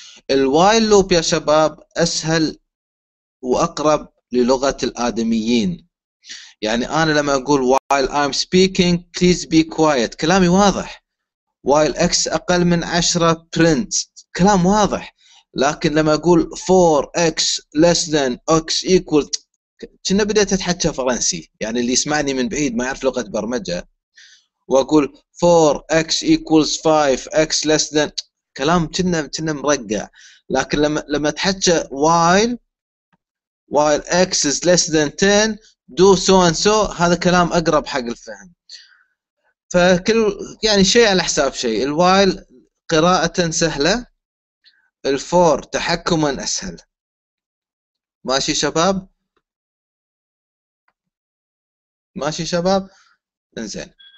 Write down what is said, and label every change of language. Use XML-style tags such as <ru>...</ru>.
<ar>الوايل لوب يا شباب اسهل واقرب للغه الادميين، يعني انا لما اقول</ar> <en>while I'm speaking please be quiet</en> <ar>كلامي واضح، while x اقل من 10 print كلام واضح، لكن لما اقول</ar> <en>for x less than x equal</en> <ar>كنا بديت اتحكى فرنسي، يعني اللي يسمعني من بعيد ما يعرف لغه برمجه، واقول</ar> <en>for x equals 5 x less than</en> <ar>كلام كنا مرقع. لكن لما اتحكى</ar> <en>while x is less than 10 do so and so،</en> <ar>هذا كلام اقرب حق الفهم. فكل يعني شيء على حساب شيء، الوايل قراءه سهله، الفور تحكما اسهل. ماشي شباب انزين.</ar>